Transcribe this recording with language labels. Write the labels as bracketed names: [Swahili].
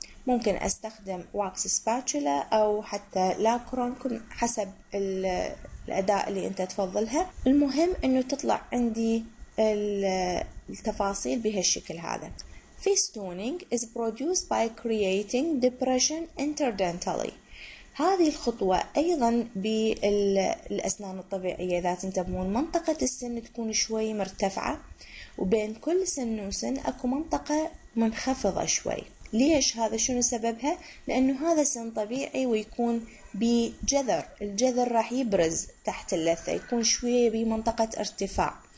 [Arabic] ممكن أستخدم واكس سباتولا أو حتى لاكرون حسب الأداء اللي أنت تفضلها، المهم أنه تطلع عندي التفاصيل بهالشكل هذا. [English] Festooning is produced by creating depression interdentally. [Arabic] هذه الخطوة أيضا بالأسنان الطبيعية، إذا تنتبهون منطقة السن تكون شوي مرتفعة، وبين كل سن وسن أكو منطقة منخفضة شوي. ليش هذا؟ شنو سببها؟ لأنه هذا سن طبيعي ويكون بجذر، الجذر راح يبرز تحت اللثة، يكون شوية بمنطقة ارتفاع.